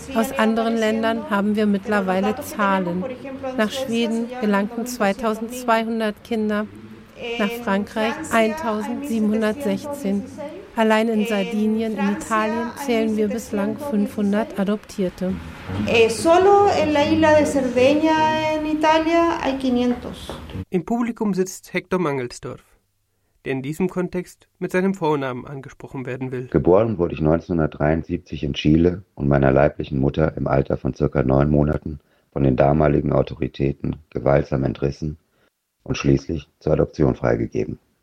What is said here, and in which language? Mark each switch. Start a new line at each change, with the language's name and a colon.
German: Aus anderen Ländern haben wir mittlerweile Zahlen. Nach Schweden gelangten 2.200 Kinder, nach Frankreich 1.716. Allein in Sardinien, in Italien, zählen wir bislang 500 Adoptierte.
Spanish: Solo en la isla de Cerdeña, en Italia, hay 500.
German: Im Publikum sitzt Hector Mangelsdorf, der in diesem Kontext mit seinem Vornamen angesprochen werden will. Geboren wurde ich 1973 in Chile und meiner leiblichen Mutter im Alter von ca. 9 Monaten von den damaligen Autoritäten gewaltsam entrissen und schließlich zur Adoption freigegeben.